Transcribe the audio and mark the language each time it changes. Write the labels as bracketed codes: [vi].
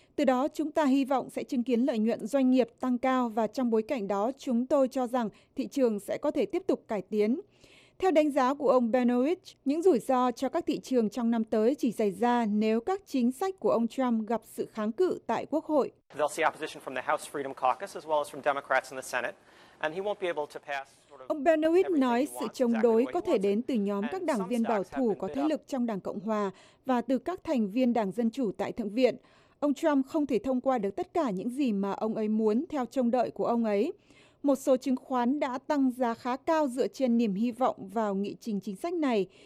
[vi] Từ đó, chúng ta hy vọng sẽ chứng kiến lợi nhuận doanh nghiệp tăng cao và trong bối cảnh đó, chúng tôi cho rằng thị trường sẽ có thể tiếp tục cải tiến. Theo đánh giá của ông Benowitz, những rủi ro cho các thị trường trong năm tới chỉ xảy ra nếu các chính sách của ông Trump gặp sự kháng cự tại Quốc hội. [en] They'll see opposition from the House Freedom Caucus as well as from Democrats in the Senate, and he won't be able to pass. [vi] Ông Benowitz nói sự chống đối có thể đến từ nhóm các đảng viên bảo thủ có thế lực trong Đảng Cộng Hòa và từ các thành viên Đảng Dân Chủ tại Thượng viện. Ông Trump không thể thông qua được tất cả những gì mà ông ấy muốn theo trông đợi của ông ấy. Một số chứng khoán đã tăng giá khá cao dựa trên niềm hy vọng vào nghị trình chính sách này.